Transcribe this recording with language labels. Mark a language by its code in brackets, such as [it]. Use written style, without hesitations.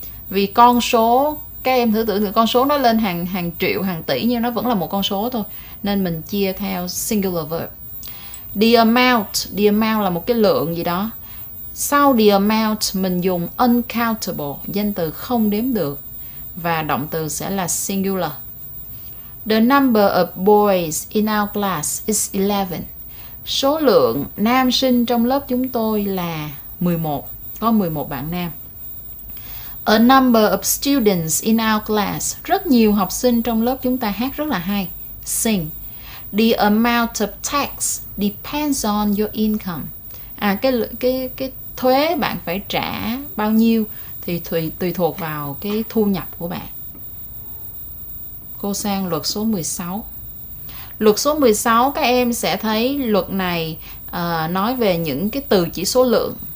[vi] Vì con số, các em thử tưởng tượng con số nó lên hàng triệu, hàng tỷ nhưng nó vẫn là một con số thôi. Nên mình chia theo singular verb. The amount là một cái lượng gì đó. Sau the amount mình dùng uncountable, danh từ không đếm được. Và động từ sẽ là singular. [en] The number of boys in our class is 11. [vi] Số lượng nam sinh trong lớp chúng tôi là 11. Có 11 bạn nam. [en] A number of students in our class. [vi] Rất nhiều học sinh trong lớp chúng ta hát rất là hay. [en] Sing. The amount of tax depends on your income. [vi] Cái thuế bạn phải trả bao nhiêu thì tùy thuộc vào cái thu nhập của bạn. Cô sang luật số 16. Luật số 16, các em sẽ thấy luật này nói về những cái từ chỉ số lượng.